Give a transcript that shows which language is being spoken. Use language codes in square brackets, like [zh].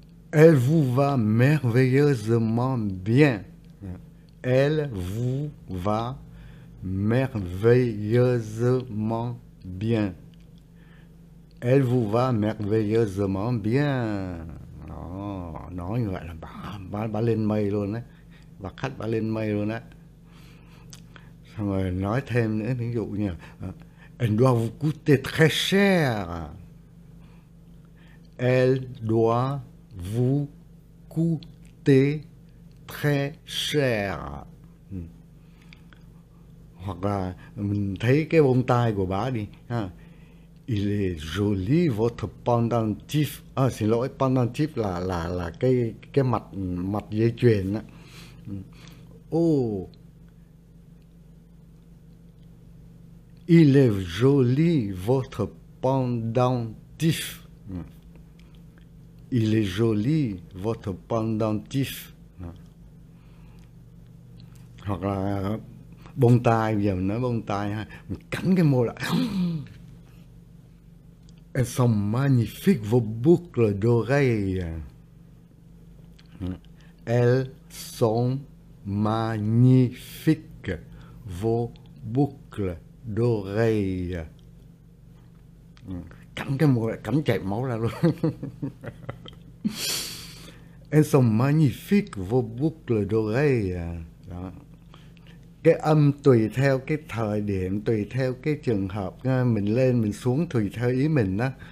[fr] Elle vous va merveilleusement bien. Elle vous va merveilleusement bien. Elle vous va merveilleusement bien. [vi] Oh, nói như vậy là bà lên mây luôn đấy. Bà khách bà lên mây luôn đấy. Xong rồi nói thêm nữa, ví dụ như [fr] Elle doit vous coûter très cher. Elle doit vous coûter très cher. [vi] Hoặc là mình thấy cái bông tai của bà đi ha. [fr] Il est joli votre pendentif. [vi] À, xin lỗi, pendentif là cái mặt mặt dây chuyền á. Oh. [fr] Il est joli votre pendentif. Il est joli, votre pendentif. [vi] Hoặc là bông tai, bây giờ mình nói bông tai ha, mình cắn cái môi lại. [fr] Elles sont magnifiques vos boucles d'oreilles. Elles sont magnifiques vos boucles d'oreilles. [vi] Cắn cái môi lại, cắn chảy máu ra luôn. [fr] Elles sont magnifiques vos boucles d'oreilles. [vi] Đó. Cái âm tùy theo cái thời điểm, tùy theo cái trường hợp, mình lên mình xuống tùy theo ý mình đó.